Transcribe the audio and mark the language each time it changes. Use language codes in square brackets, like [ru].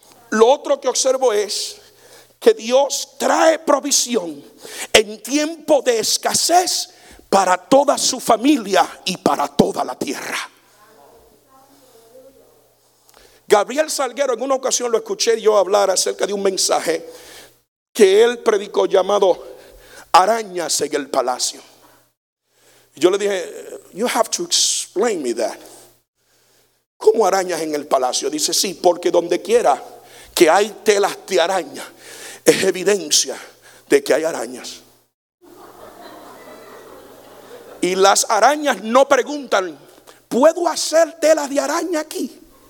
[es] Lo otro que observo es que Dios trae provisión en tiempo de escasez para toda su familia y para toda la tierra. Gabriel Salguero, en una ocasión lo escuché yo hablar acerca de un mensaje que él predicó llamado Arañas en el Palacio. Yo le dije, [en] you have to explain me that. [es] ¿Cómo arañas en el palacio? Dice, sí, porque donde quiera que hay telas de araña, es evidencia de que hay arañas. Y las arañas no preguntan, ¿puedo hacer telas de araña aquí?